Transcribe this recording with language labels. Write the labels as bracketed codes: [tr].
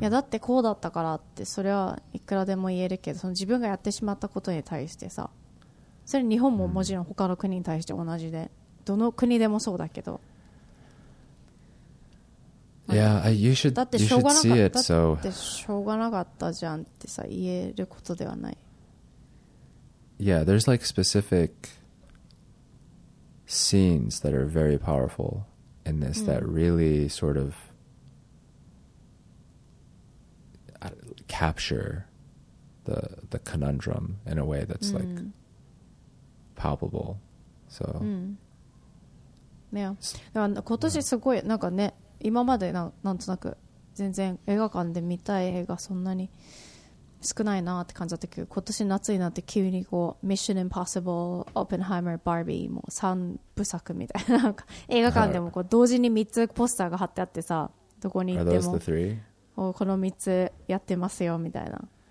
[ja] いやだってこうだったからってそれはいくらでも言えるけど、その自分がやってしまったことに対してさ、それ日本ももちろん他の国に対して同じで、mm. どの国でもそうだけど、 [en] Yeah, you should see it, so... [ja] だってしょうがなかったじゃんってさ、言えることではない。 [en] Yeah, there's like specific scenes that are very powerful in this、 [ja] うん、 [en] that really sort of capture the conundrum in a way that's、うん、like palpable. So...、 [ja] うん、 [en] yeah. [ja] 今年すごい、なんかね、今までなんとなく全然映画館で見たい映画そんなに少ないなって感じだったけど、今年夏になって急にこうミッションインポッシブル、オッペンハイマー、バービーもう3部作みたいな、なんか映画館でもこう同時に3つポスターが貼ってあってさ、どこに行ってもこの3つやってますよみたいな。